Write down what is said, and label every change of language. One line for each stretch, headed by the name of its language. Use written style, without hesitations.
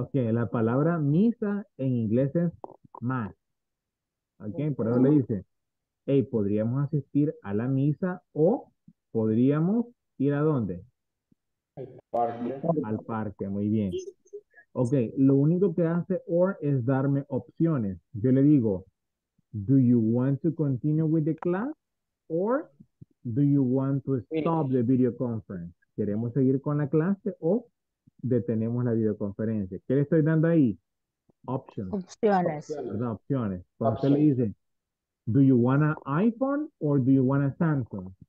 Spanish: Ok, la palabra misa en inglés es mass. Ok, por eso le
English: Okay.
Spanish: dice, hey, ¿podríamos asistir a la misa o podríamos ir a dónde? El parque. Al parque, muy bien. Ok, lo único que hace or es darme opciones. Yo le digo,
English: do you want to continue with the class or do you want to stop the video conference?
Spanish: ¿Queremos seguir con la clase o detenemos la videoconferencia? ¿Qué le estoy dando ahí? Options, Opciones. ¿verdad? Opciones. Cuando usted le Opción. dice,
English: do you want an iPhone or do you want a Samsung?